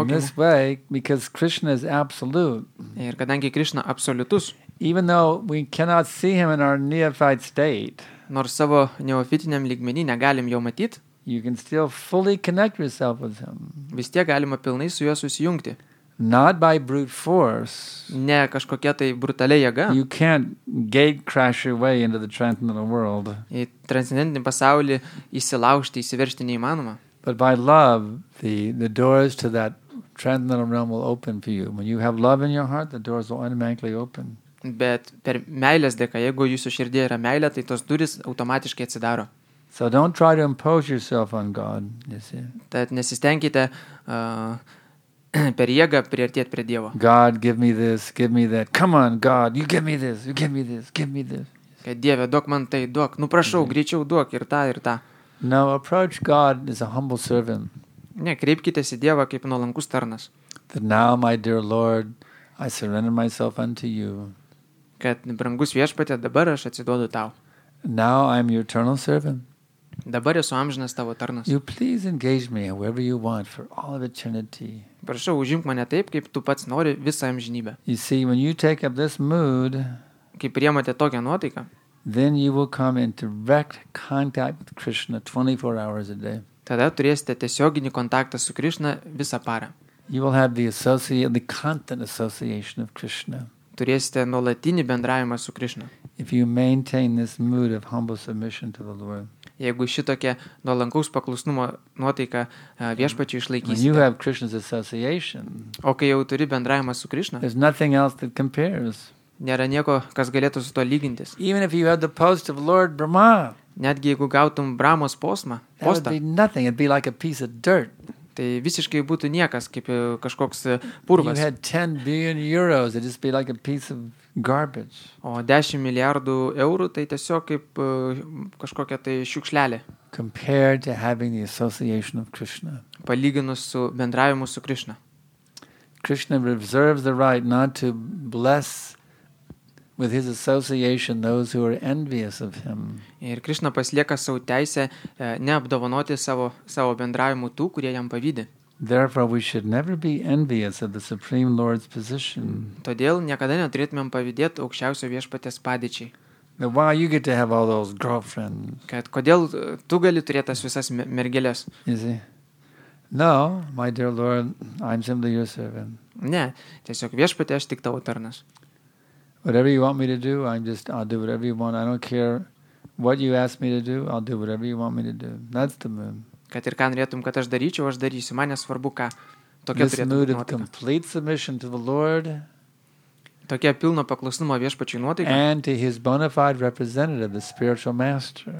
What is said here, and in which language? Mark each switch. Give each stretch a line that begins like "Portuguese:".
English: In this way, because Krishna is absolute.
Lithuanian: Ir kadangi Krishna absoliutus.
English: Even though we cannot see him in our neophyte state.
Lithuanian: Nors savo neofitiniam lygmenį negalim jo matyti,
English: you can still fully connect yourself with him.
Lithuanian: Vis tiek galima pilnai su juo susijungti.
English: Not by brute force.
Lithuanian: Ne kažkokia tai brutalia jėga.
English: You can't gate crash your way into the transcendental world.
Lithuanian: Į transcendentinį pasaulį įsilaužti, įsiveržti neįmanoma.
English: But by love, the doors to that transcendental realm will open for you. When you have love in your heart, the doors will automatically open.
Lithuanian: Bet per meilės dėka, jeigu jūsų širdyje yra meilė, tai tos durys automatiškai atsidaro.
English: So don't try to impose yourself on God, you see.
Lithuanian: Tad nesistenkite per jėgą priartėti prie Dievo.
English: God, give me this, give me that. Come on, God, you give me this, you give me this, give me this.
Lithuanian: Kad Dieve, duok man tai, duok. Nu, prašau, greičiau duok ir tą, ir tą.
English: No, approach God as a humble servant.
Lithuanian: Ne, kreipkitės į Dievą kaip nuolankus tarnas.
English: That now, my dear Lord, I surrender myself unto you.
Lithuanian: Kad brangus viešpatė, dabar aš atsiduodu tau.
English: Now I'm your eternal servant.
Lithuanian: Dabar esu amžinas tavo tarnas.
English: You please engage me however you want for all of eternity.
Lithuanian: Prašau, užimk mane taip, kaip tu pats nori visą amžinybę.
English: You see, when you take up this mood,
Lithuanian: kai priemate tokią nuotaiką,
English: then you will come in direct contact with Krishna 24 hours a day.
Lithuanian: Tada turėsite tiesioginį kontaktą su Krishna visą parą.
English: You will have the constant association of Krishna.
Lithuanian: Turėsite nuolatinį bendravimą su Krishna.
English: If you maintain this mood of humble submission to the Lord.
Lithuanian: Jeigu šitokia nuolankaus paklusnumo nuotaika viešpačiui išlaikysite.
English: When you have Krishna's association.
Lithuanian: O kai jau turi bendravimą su Krishna.
English: There's nothing else that compares.
Lithuanian: Nėra nieko, kas galėtų su to lygintis.
English: Even if you had the post of Lord Brahma.
Lithuanian: Netgi jeigu gautum Brahmos postą.
English: That would be nothing. It'd be like a piece of dirt.
Lithuanian: Tai visiškai būtų niekas, kaip kažkoks purvas.
English: You had 10 billion euros, it'd just be like a piece of garbage.
Lithuanian: O 10 milijardų eurų, tai tiesiog kaip kažkokia tai šiukšlelė.
English: Compared to having the association of Krishna.
Lithuanian: Palyginus su bendravimu su Krishna.
English: Krishna reserves the right not to bless with his association those who are envious of him.
Lithuanian: Ir Krishna pasilieka savo teisę neapdovanoti savo bendravimu tų, kurie jam pavydi.
English: Therefore we should never be envious of the Supreme Lord's position.
Lithuanian: Todėl niekada neturėtumėm pavydėti aukščiausio viešpaties padėčiai.
English: Now why you get to have all those girlfriends?
Lithuanian: Kad kodėl tu gali turėti tas visas mergeles?
English: No, my dear Lord, I'm simply your servant.
Lithuanian: Ne, tiesiog viešpatie, aš tik tavo tarnas.
English: Whatever you want me to do, I'll do whatever you want. I don't care what you ask me to do, I'll do whatever you want me to do. That's the mood.
Lithuanian: Kad ir ką norėtum, kad aš daryčiau, aš darysiu. Man nesvarbu, ką. Tokia turėtum nuotaika.
English: This mood of complete submission to the Lord.
Lithuanian: Tokia pilno paklusnumo viešpačiui nuotaika.
English: And to his bona fide representative, the spiritual master.